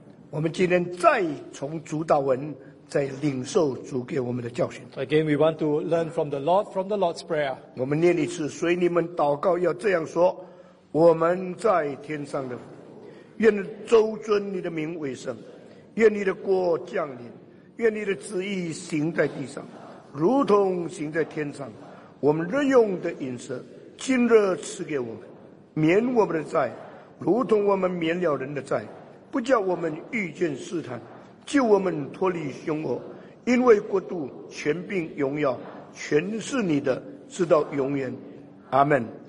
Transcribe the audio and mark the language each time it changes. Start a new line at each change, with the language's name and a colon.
Chinese: 我们今天再从主祷文再领受主给我们的教训。
English: Again, we want to learn from the Lord, from the Lord's Prayer.
Chinese: 我们念一次，所以你们祷告要这样说：我们在天上的，愿周尊你的名为圣，愿你的国降临，愿你的旨意行在地上，如同行在天上。我们日用的饮食，今日赐给我们，免我们的债，如同我们免了人的债，不叫我们遇见试探，救我们脱离凶恶，因为国度、权柄、荣耀，全是你的，直到永远。阿门。